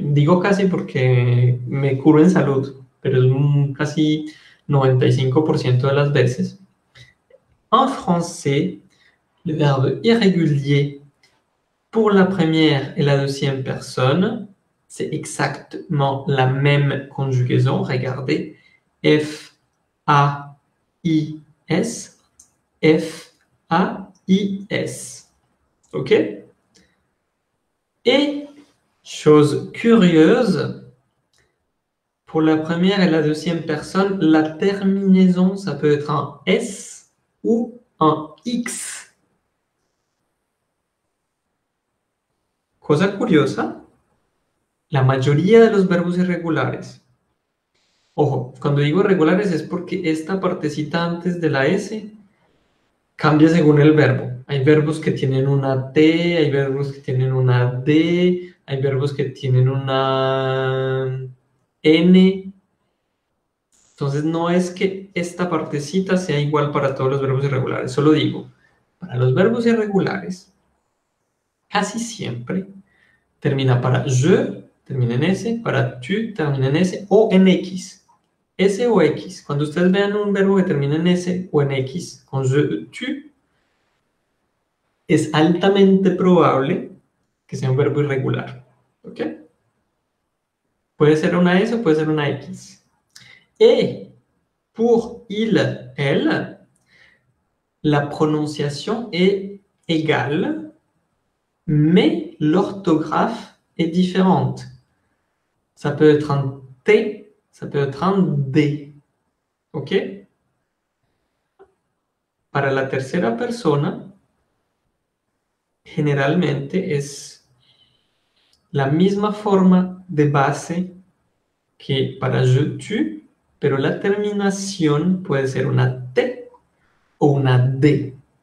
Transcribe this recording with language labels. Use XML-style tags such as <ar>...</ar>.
<es>Digo casi porque me curo en salud, pero es un casi 95% de las veces.</es> <fr>En français, le verbe irrégulier pour la première et la deuxième personne, c'est exactement la même conjugaison. Regardez, F-A-I-S, F-A-I-S. OK? Et chose curieuse, pour la première et la deuxième personne, la terminaison, ça peut être un S ou un X.</fr> <es>Cosa curiosa, la mayoría de los verbos irregulares. Ojo, cuando digo irregulares es porque esta partecita antes de la S cambia según el verbo. Hay verbos que tienen una T, hay verbos que tienen una D, hay verbos que tienen una N. Entonces no es que esta partecita sea igual para todos los verbos irregulares, solo digo, para los verbos irregulares, casi siempre termina para je, termina en S, para tu, termina en S o en X. S o X. Cuando ustedes vean un verbo que termina en S o en X, con je, tu, es altamente probable que sea un verbo irregular. ¿Ok? Puede ser una S o puede ser una X.</es> <fr>Et pour il, elle, la prononciation est égale, mais l'orthographe est différente. Ça peut être un T, ça peut être un D. ¿Ok?</fr> <es>Para la tercera persona, generalmente es la misma forma de base que para je, tu, pero la terminación puede ser una T o una D.</es>